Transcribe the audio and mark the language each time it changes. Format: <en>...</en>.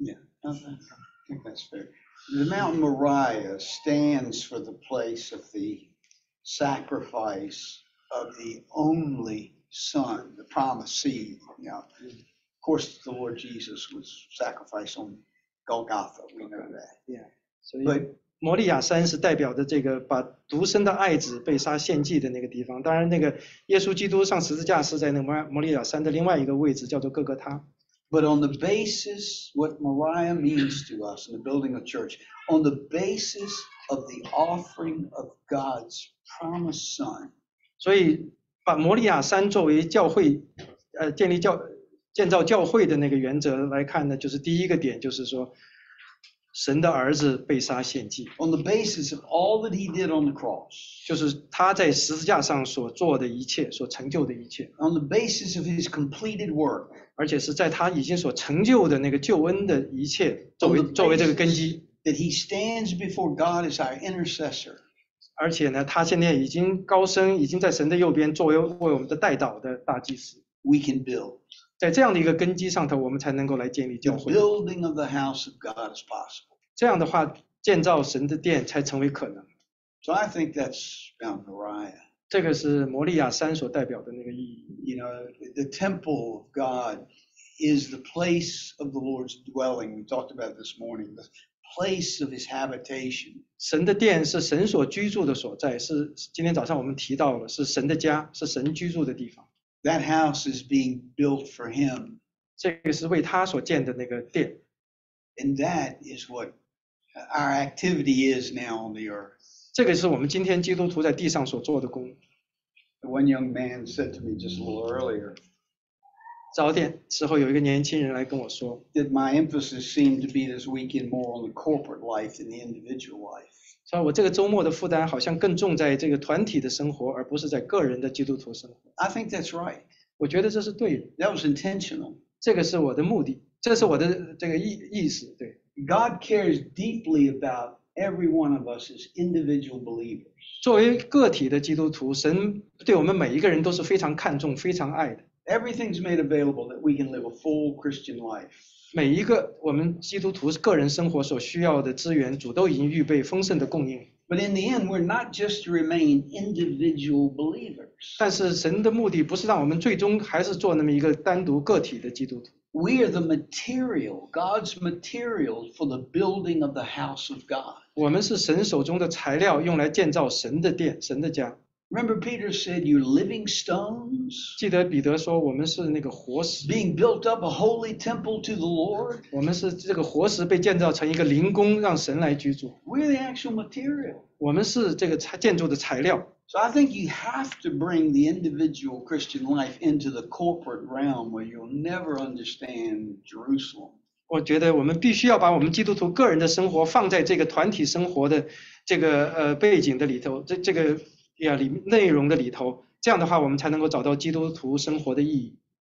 <en>Yeah, I think that's fair. The Mount Moriah stands for the place of the sacrifice of the only Son, the promised seed. Now, of course, the Lord Jesus was sacrificed on Golgotha. We know that. Yeah.</en> <zh>But 摩利亚山是代表的这个把独生的爱子被杀献祭的那个地方。当然，那个耶稣基督上十字架是在那摩利亚山的另外一个位置，叫做哥哥他。</zh> <en>But on the basis, what Moriah means to us in the building of church, on the basis of the offering of God's promised Son.</en> <zh>所以把摩利亚山作为教会，建造教会的那个原则来看呢，就是第一个点，就是说，神的儿子被杀献祭。</zh> <en>On the basis of all that he did on the cross.</en> <zh>就是他在十字架上所做的一切，所成就的一切。</zh> <en>On the basis of his completed work.</en> <zh>而且是在他已经所成就的那个救恩的一切作为这个根基。</zh> <en>That he stands before God as our intercessor.</en> <zh>而且呢，他现在已经高升，已经在神的右边，作为为我们的代祷的大祭司。</zh> <en>We can build.</en> <zh>在这样的一个根基上头，我们才能够来建立教会。</zh> <en>The building of the house of God is possible.</en> <zh>这样的话，建造神的殿才成为可能。</zh> <en>So I think that's Mount Moriah.</en> <zh>这个是摩利亚山所代表的那个意义。</zh> <en>You know, the temple of God is the place of the Lord's dwelling. We talked about this morning. Place of his habitation.</en> <zh>神的殿是神所居住的所在，是今天早上我们提到了，是神的家，是神居住的地方。</zh> <en>That house is being built for him.</en> <zh>这个是为他所建的那个殿。</zh> <en>And that is what our activity is now on the earth.</en> <zh>这个是我们今天基督徒在地上所做的工。</zh> <en>One young man said to me just a little earlier,</en> <zh>早点时候有一个年轻人来跟我说</zh> <en>that my emphasis seemed to be this weekend more on the corporate life than the individual life.</en> <zh>所以我这个周末的负担好像更重在这个团体的生活而不是在个人的基督徒生活。</zh> <en>I think that's right.</en> <zh>我觉得这是对的。</zh> <en>That was intentional.</en> <zh>这个是我的目的。这是我的这个 意思对。</zh> <en>God cares deeply about every one of us as individual believers.</en> <zh>作为个体的基督徒神对我们每一个人都是非常看重非常爱的。</zh> <en>Everything's made available that we can live a full Christian life.</en> <zh>每一个我们基督徒个人生活所需要的资源主都已经预备丰盛的供应。</zh> <en>But in the end, we're not just to remain individual believers.</en> <zh>但是神的目的不是让我们最终还是做那么一个单独个体的基督徒。</zh> <en>We are the material, God's material for the building of the house of God.</en> <zh>我们是神手中的材料用来建造神的殿神的家。</zh> <en>Remember Peter said, you're living stones.</en> <zh>记得彼得说我们是那个活石。</zh> <en>Being built up a holy temple to the Lord.</en> <zh>我们是这个活石被建造成一个灵宫让神来居住。</zh> <en>We're the actual material.</en> <zh>我们是这个建筑的材料。</zh> <en>So I think you have to bring the individual Christian life into the corporate realm where you'll never understand Jerusalem.</en> <zh>我觉得我们必须要把我们基督徒个人的生活放在这个团体生活的这个背景的里头，这个呀里内容的里头，这样的话我们才能够找到基督徒生活的意义。</zh>